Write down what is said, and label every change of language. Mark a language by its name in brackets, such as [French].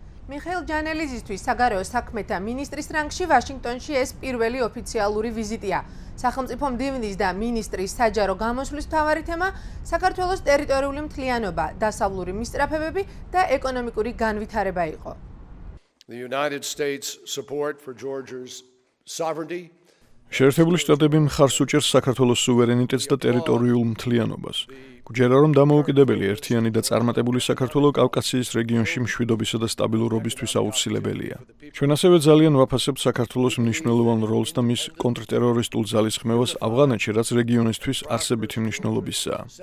[Georgian] მიხეილ ჯანელიძისთვის საგარეო საქმეთა მინისტრის რანგში ვაშინგტონში ეს პირველი ოფიციალური ვიზიტია. სახელმწიფო მდივნის და მინისტრის საჯარო გამოსვლის მთავარი თემა საქართველოს ტერიტორიული მთლიანობა, დასავლური მისწრაფებები და ეკონომიკური განვითარება იყო. [English] The United States support for Georgia's sovereignty. [Georgian] შეერთებული შტატები მხარს უჭერს საქართველოს სუვერენიტეტს და ტერიტორიულ მთლიანობას. გვჯერა, რომ დამოუკიდებელი, ერთიანი და წარმატებული საქართველო კავკასიის რეგიონში მშვიდობისა და სტაბილურობისთვის აუცილებელია. ჩვენ ასევე ძალიან ვაფასებთ საქართველოს მნიშვნელოვან როლს და მის კონტრტერორისტულ ძალისხმევას ავღანეთში, რაც რეგიონისთვის არსებითი მნიშვნელობისაა.